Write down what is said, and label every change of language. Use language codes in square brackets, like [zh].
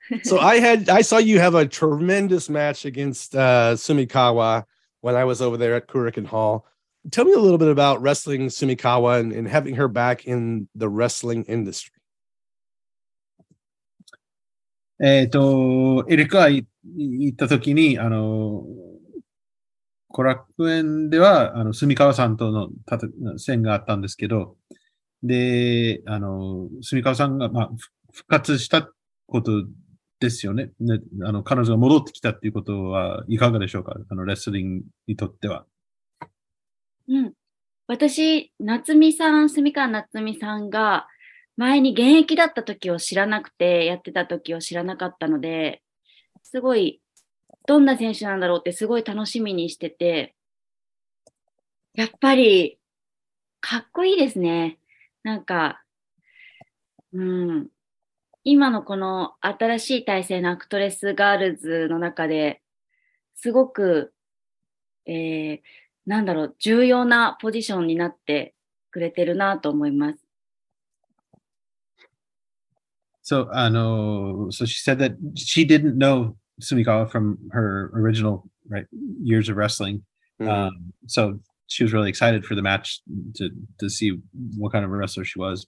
[en] So I saw you have a tremendous match against Sumikawa when I was over there at Kurikan Hall. Tell me a little bit about wrestling Sumikawa and having her back in the wrestling industry. [ja] エリカ行った時に、コラクエンでは、Sumikawa さんとの戦があったんですけど、で、スミカワさんが、まあ、復活したことですよね。ね、彼女が戻ってきたっていうことはいかがでしょうか？レスリングにとっては。うん。私、夏美さん、スミカワ夏美さんが、前に現役だった時を知らなくて、やってた時を知らなかったので、すごい、どんな選手なんだろうってすごい楽しみにしてて、やっぱり、かっこいいですね。なんか、うん、今のこの新しい体制のアクトレスガールズの中ですごく、なんだろう、重要なポジションになってくれてるなと思います。 [en] So, so she said that she didn't know Sumikawa from her original, right, years of wrestling. So,she was really excited for the match to see what kind of a wrestler she was.